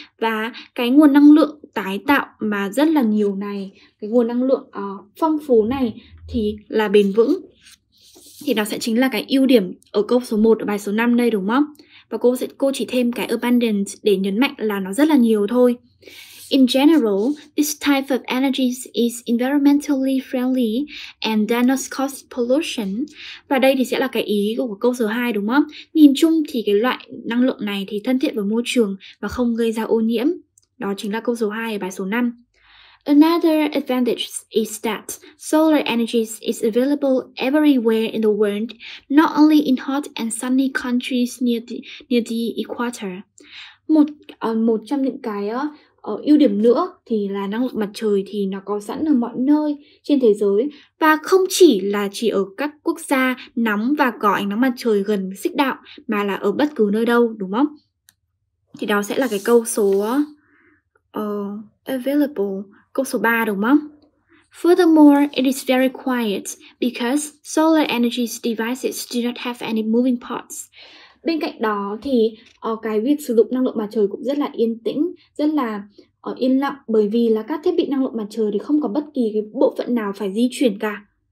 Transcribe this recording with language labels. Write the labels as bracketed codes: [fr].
[vi] Và cái nguồn năng lượng tái tạo mà rất là nhiều này, cái nguồn năng lượng phong phú này thì là bền vững. Thì nó sẽ chính là cái ưu điểm ở câu số 1 ở bài số 5 đây, đúng không? Và cô chỉ thêm cái abundant để nhấn mạnh là nó rất là nhiều thôi. [en] In general, this type of energy is environmentally friendly and does not cause pollution. [vi] Và đây thì sẽ là cái ý của câu số 2, đúng không? Nhìn chung thì cái loại năng lượng này thì thân thiện với môi trường và không gây ra ô nhiễm. Đó chính là câu số 2 ở bài số 5. [en] Another advantage is that solar energy is available everywhere in the world, not only in hot and sunny countries near the equator. [vi] Một trong những cái ưu điểm nữa thì là năng lượng mặt trời thì nó có sẵn ở mọi nơi trên thế giới và không chỉ là chỉ ở các quốc gia nóng và có ánh nắng mặt trời gần xích đạo mà là ở bất cứ nơi đâu, đúng không? Thì đó sẽ là cái câu số available. Câu số 3, đúng không? [en] Furthermore, it is very quiet because solar energy devices do not have any moving parts. [vi] Bên cạnh đó thì cái việc sử dụng năng lượng mặt trời cũng rất là yên tĩnh, rất là yên lặng bởi vì là các thiết bị năng lượng mặt trời thì không có bất kỳ cái bộ phận nào phải di chuyển cả.